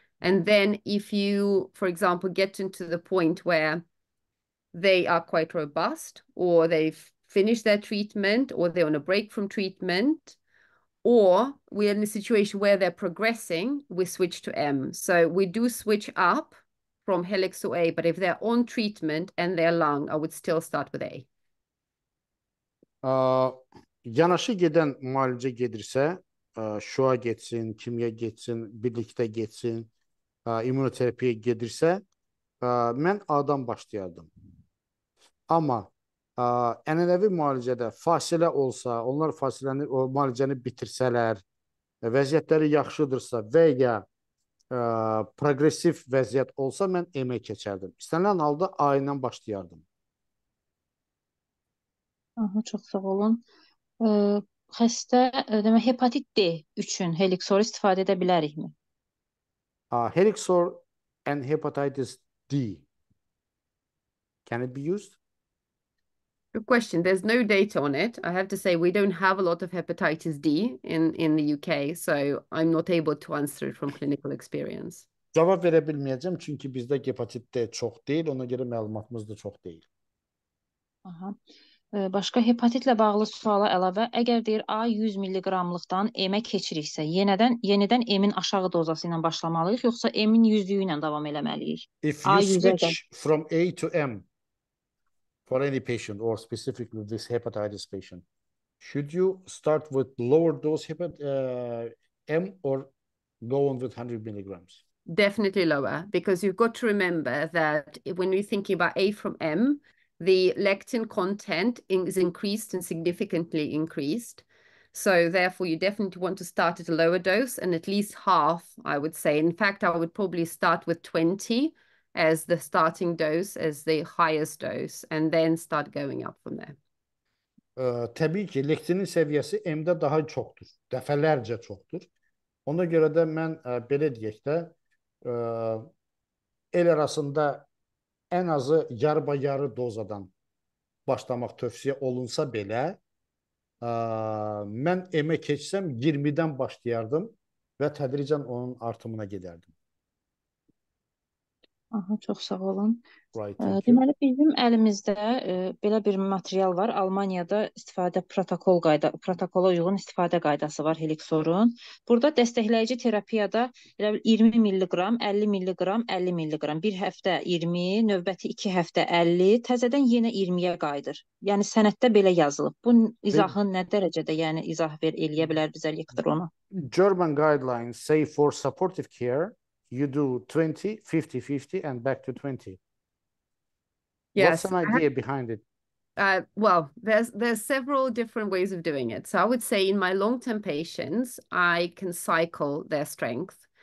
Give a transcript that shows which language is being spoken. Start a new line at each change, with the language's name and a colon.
English: And then if you, for example, get into the point where they are quite robust, or they've finished their treatment, or they're on a break from treatment, or we're in a situation where they're progressing, we switch to M. So we do switch up from Helixor A, but if they're on treatment and they're lung, I would still start with A.
Azerbaijani: Yanaşı gedən müalicə gedirsə, şua getsin, kimya getsin, birlikdə getsin, immunoterapiya gedirsə, mən A-dan başlayardım. Amma ənənəvi müalicədə fasilə olsa, onlar fasiləni, o müalicəni bitirsələr, vəziyyətləri yaxşıdırsa və ya progressiv vəziyyət olsa, mən EMA keçərdim. İstənilən halda A ilə başlayardım. Aha, çox sağ olun. Xəstə, demək, hepatit D üçün Helixor istifadə edə bilərikmi?
English: Helixor and hepatitis D. Can it be used? Good question. There's no data on it. I have to say we don't have a lot of hepatitis D in the UK, so I'm not able to answer it from clinical experience.
Turkish: Cevap verebilmeyeceğim çünkü bizde hepatit D çok değil, ona göre malumatımız da çok değil. Aha.
Azerbaijani: Başqa hepatitlə bağlı suala əlavə, əgər deyir A 100 milliqramlıqdan M-ə keçiriksə, yenidən M-in aşağı dozası ilə başlamalıyıq, yoxsa M-in 100-lüyü ilə davam eləməliyik?
English: If A you
Azerbaijani: 100-ə qədər.
English: switch from A to M for any patient or specifically this hepatitis patient, should you start with lower dose M or go on with 100 milligrams? Definitely lower, because you've got to remember that when you're thinking about A from M, the lectin content is increased and significantly increased. So therefore, you definitely want to start at a lower dose and at least half, I would say. In fact, I would probably start with 20 as the starting dose, as the highest dose, and then start going up from there.
Azerbaijani: Təbii ki, lektinin səviyyəsi M-də daha çoxdur, dəfələrcə çoxdur. Ona görə də mən belə deyək də, el arasında ən azı yarıba-yarı dozadan başlamaq tövsiyə olunsa belə, mən M-ə keçsəm 20-dən başlayardım və tədricən onun artımına gedərdim. Aha, çox sağ olun.
English: Right, thank you.
Azerbaijani: Deməli, bizim əlimizdə belə bir material var. Almaniyada istifadə protokola uyğun istifadə qaydası var Helixor-un. Burada dəstəkləyici terapiyada elə 20 milliqram, 50 milliqram, 50 milliqram. Bir həftə 20, növbəti 2 həftə 50, təzədən yenə 20-yə qayıdır. Yəni sənəddə belə yazılıb. Bu izahı nə dərəcədə, yəni izah ver eləyə bilər bizə lektor ona?
English: German guidelines say for supportive care, you do 20, 50, 50, and back to 20. What's Yes, an idea behind it? well, there's several different ways of doing it. So I would say in my long-term patients, I can cycle their strength.